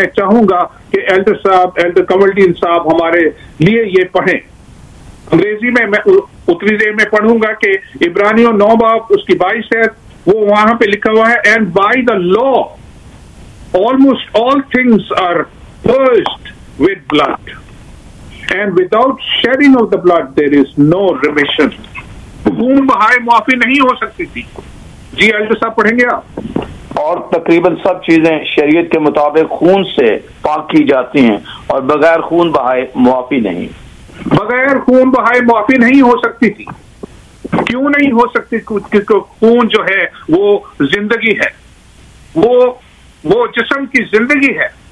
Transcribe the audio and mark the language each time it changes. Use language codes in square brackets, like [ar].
[ur] میں چاہوں گا کہ ایلڈر صاحب ایلڈر کمرڈین صاحب ہمارے لیے یہ پڑھیں انگریزی میں, میں اتنی دیر میں پڑھوں گا کہ عبرانیوں 9 باب اس کی 22 آیت وہ وہاں پہ لکھا ہوا ہے. [en] And by the law almost all things are purged with blood and without shedding of the blood there is no remission. [ur] خون بہائے معافی نہیں ہو سکتی تھی. جی الٹر صاحب پڑھیں گے آپ. اور تقریباً سب چیزیں شریعت کے مطابق خون سے پاک کی جاتی ہیں, اور بغیر خون بہائے معافی نہیں, بغیر خون بہائے معافی نہیں ہو سکتی تھی. کیوں نہیں ہو سکتی؟ کیونکہ خون جو ہے وہ زندگی ہے, وہ جسم کی زندگی ہے.